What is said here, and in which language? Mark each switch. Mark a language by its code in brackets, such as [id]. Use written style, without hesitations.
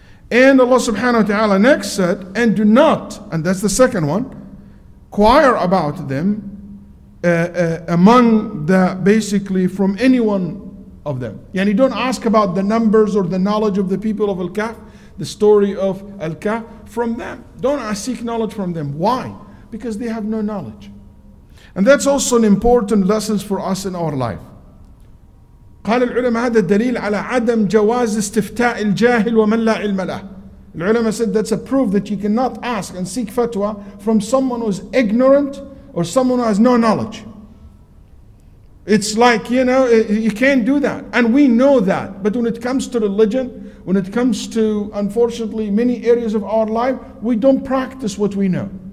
[en] And Allah subhanahu wa ta'ala next said, and do not, and that's the second one, inquire about them among the basically from anyone of them. Yani don't ask about the numbers or the knowledge of the people of Al-Kahf, the story of Al-Kahf, from them. Don't seek knowledge from them. Why? Because they have no knowledge. And that's also an important lesson for us in our life. [ar] قال العلماء هذا الدليل على عدم جواز استفتاء الجاهل ومن لا علم له. [en] The ulama said that's a proof that you cannot ask and seek fatwa from someone who is ignorant or someone who has no knowledge. It's like, you can't do that. And we know that. But when it comes to religion, when it comes to, unfortunately, many areas of our life, we don't practice what we know.